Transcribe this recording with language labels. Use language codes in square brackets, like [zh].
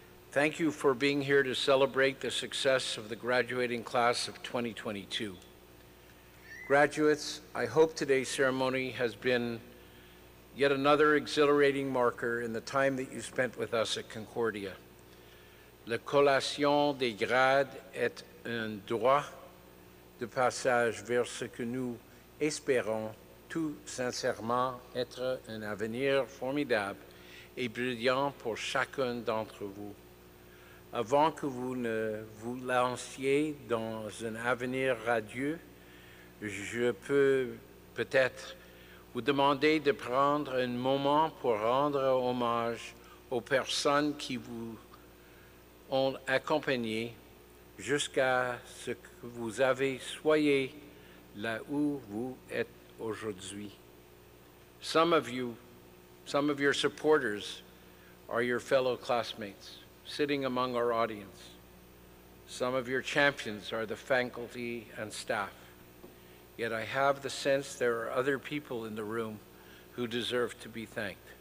[en] Thank you for being here to celebrate the success of the graduating class of 2022. Graduates, I hope today's ceremony has been yet another exhilarating marker in the time that you spent with us at Concordia. [fr] La collation des grades est un droit de passage vers ce que nous espérons tout sincèrement être un avenir formidable et brillant pour chacun d'entre vous. avant que vous ne vous lanciez dans un avenir radieux, je peux peut-être vous demander de prendre un moment pour rendre hommage aux personnes qui vous ont accompagné jusqu'à ce que vous avez soyez là où vous êtes aujourd'hui. [en] Some of your supporters are your fellow classmates sitting among our audience. Some of your champions are the faculty and staff. Yet I have the sense there are other people in the room who deserve to be thanked.